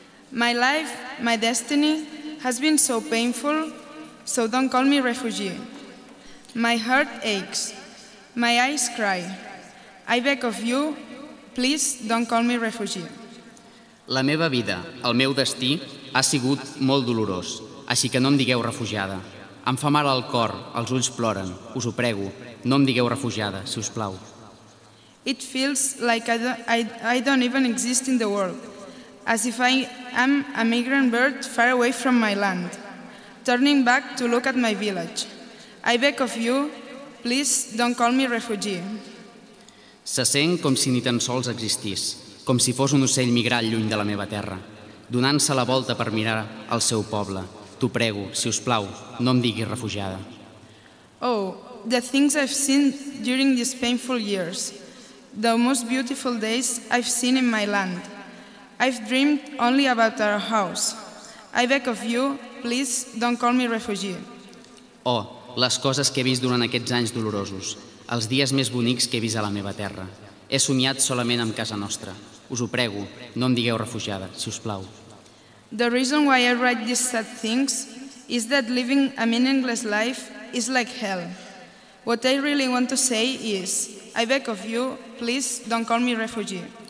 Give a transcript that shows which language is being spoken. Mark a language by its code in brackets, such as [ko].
[en] My life, my destiny, has been so painful, so don't call me refugee. My heart aches, My eyes cry. I beg of you, please don't call me refugee. [ca] La meva vida, el meu destí, ha sigut molt dolorós, així que no em digueu refugiada. Em fa mal el cor, els ulls ploren, us ho prego. No em digueu refugiada, si us plau. [en] It feels like I don't even exist in the world, as if I am a migrant bird far away from my land, turning back to look at my village. I beg of you, please don't call me refugee. [ca] Se sent com si ni tan sols existís, com si fos un ocell migrat lluny de la meva terra, donant-se la volta per mirar el seu poble. T'ho prego, si us plau, no em diguis refugiada. [en] Oh, the things I've seen during these painful years, the most beautiful days I've seen in my land. I've dreamed only about our house. I beg of you, please don't call me refugee. [ca] Oh, les coses que he vist durant aquests anys dolorosos, els dies més bonics que he vist a la meva terra. He somiat solament amb casa nostra. Us ho prego, no em digueu refugiada, si us plau. [en] The reason why I write these sad things is that living a meaningless life is like hell. What I really want to say is, I beg of you, please don't call me refugee.